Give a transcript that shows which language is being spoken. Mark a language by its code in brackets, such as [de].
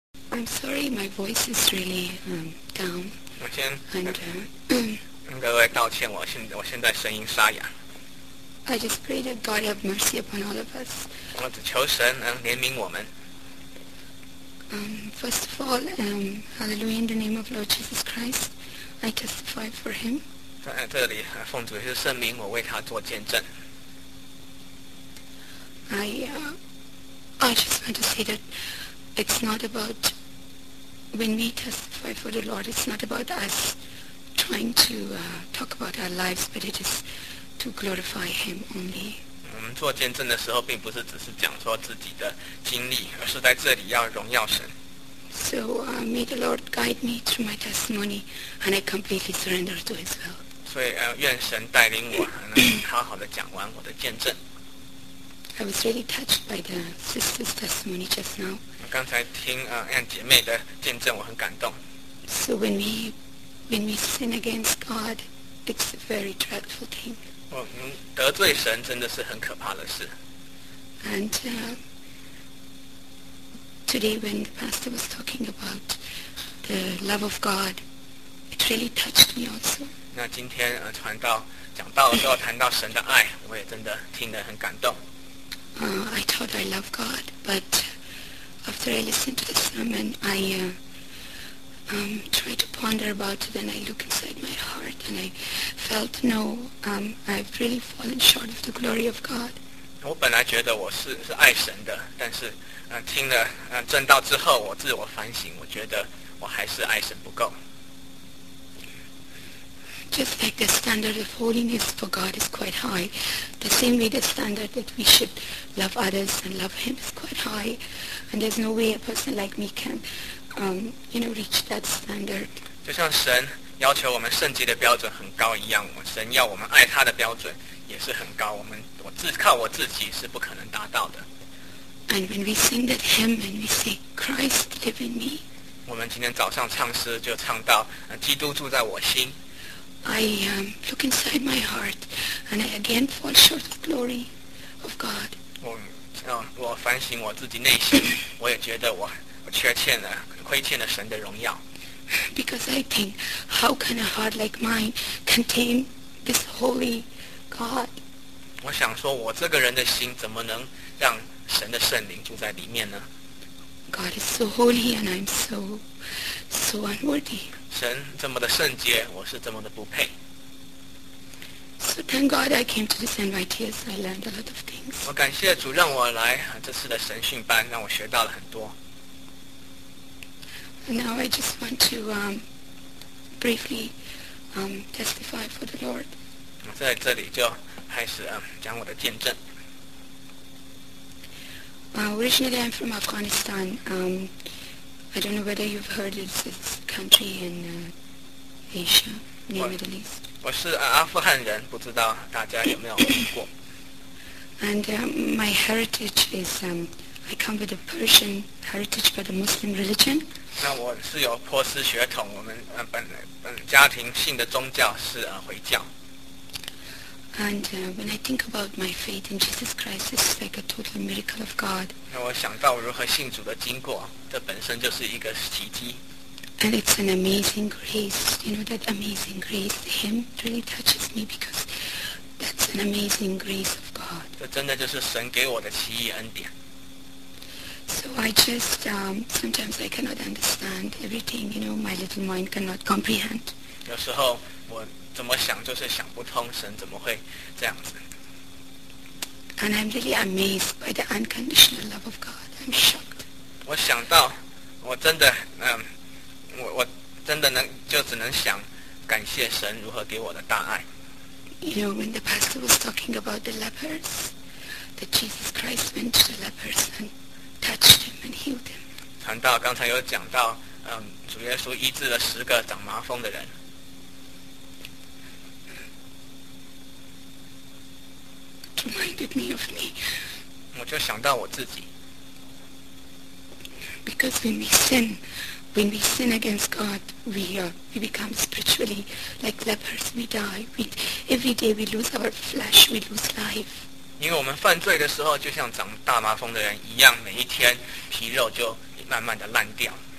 [en] I'm sorry, my voice is really down. [zh] 我先 [en] and, [zh] 各位道歉，我现在声音沙哑。 [en] I just pray that God have mercy upon all of us. [zh] 我只求神能怜悯我们。 [en] First of all, hallelujah in the name of Lord Jesus Christ, I testify for him. [zh] 在这里，奉主耶稣圣名，我为他做见证。 [en] I just want to say that it's not about when we testify for the Lord. It's not about us trying to talk about our lives, but it is to glorify Him only. [zh] 我们做见证的时候，并不是只是讲说自己的经历，而是在这里要荣耀神。 [en] So may the Lord guide me through my testimony, and I completely surrender to His will. [zh] 所以愿神带领我，能好好的讲完我的见证。 [en] I was really touched by the sister's testimony just now. [zh] 我刚才听Anne姐妹的见证，我很感动。 [en] So when we sin against God, it's a very dreadful thing. [zh] 我们得罪神真的是很可怕的事。 [en] And today, when the pastor was talking about the love of God, it really touched me also. [zh] 那今天传道讲道的时候谈到神的爱，我也真的听得很感动。 [en] I thought I loved God, but after I listened to the sermon, I tried to ponder about it, and I looked inside my heart, and I felt, no, I've really fallen short of the glory of God. [zh] 我本来觉得我是爱神的，但是听了正道之后，我自我反省，我觉得我还是爱神不够。 [en] Just like the standard of holiness for God is quite high, the same way the standard that we should love others and love Him is quite high, and there's no way a person like me can, reach that standard. [zh] 就像神要求我们圣洁的标准很高一样，神要我们爱他的标准也是很高。我自靠我自己是不可能达到的。 [en] And when we sing that hymn and we say, "Christ live in me," [zh] 我们今天早上唱诗就唱到，基督住在我心。 [en] I look inside my heart, and I again fall short of glory of God. [zh] 我反省我自己内心，我也觉得我亏欠了神的荣耀。 [en] Because I think, how can a heart like mine contain this holy God? [zh] 我想说，我这个人的心怎么能让神的圣灵住在里面呢？ [en] God is so holy, and I'm so unworthy. [zh] 神这么的圣洁，我是这么的不配。 [en] So thank God I came to this NYTS. I learned a lot of things. [zh] 我感谢主让我来这次的神训班，让我学到了很多。 [en] Now I just want to briefly testify for the Lord. [zh] 我在这里就开始讲我的见证。 [en] Originally I'm from Afghanistan. I don't know whether you've heard it. It's a country in Asia, near Middle East. [zh] 我是阿富汗人，不知道大家有没有听过。 [en] And my heritage is I come with a Persian heritage, but a Muslim religion. [zh] 那我是有波斯血统，我们本家庭信的宗教是回教。 [en] And when I think about my faith in Jesus Christ, it's like a total miracle of God. [zh] 那我想到如何信主的经过，这本身就是一个奇迹。 [en] And it's an amazing grace. You know that amazing grace. The hymn really touches me because that's an amazing grace of God. [zh] 这真的就是神给我的奇异恩典。 [en] So I just sometimes I cannot understand everything. You know, my little mind cannot comprehend. [zh] 有时候我。怎么想就是想不通，神怎么会这样子 [en] ？And I'm really amazed by the unconditional love of God. I'm shocked. [zh] 我想到，我真的，我真的能就只能想感谢神如何给我的大爱。 [en] You know, when the pastor was talking about the lepers, that Jesus Christ went to the lepers and touched them and healed them. [zh] 传道刚才有讲到，主耶稣医治了十个长麻风的人。 [en] Reminded me of me. [zh] 我就想到我自己。 [en] Because when we sin against God, we become spiritually like lepers. We die. We every day we lose our flesh. We lose life. [zh] 因为我们犯罪的时候，就像长大麻风的人一样，每一天皮肉就慢慢的烂掉。